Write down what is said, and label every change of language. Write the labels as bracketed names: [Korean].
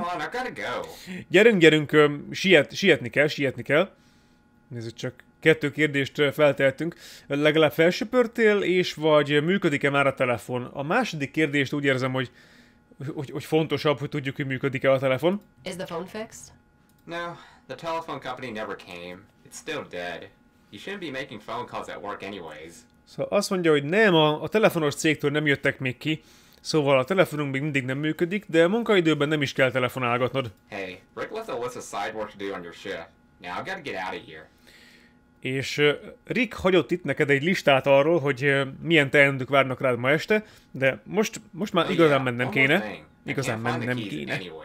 [English] Come on, I gotta go. [Hungarian] Gyerünk, sietni kell. Nézzük csak, kettő kérdést feltehetünk. Legalább felsöpörtél, és vagy működik-e már a telefon? A második kérdést úgy érzem, hogy fontosabb, hogy tudjuk, hogy működik-e a telefon. [English] Is the phone fixed? No, the telephone company never came. It's still dead. You shouldn't be making phone calls at work anyways. [Hungarian] Szóval azt mondja, hogy nem, a telefonos cégtől nem jöttek még ki. Szóval a telefonunk még mindig nem működik, de a munkaidőben nem is kell telefonálgatnod. [English] Hey, Rick left a list of side work to do on your shift. Now I've got to get out of here. [Hungarian] És Rick hagyott itt neked egy listát arról, hogy milyen teendők várnak rád ma este, de most már igazán mennem kéne. Igazán mennem kéne.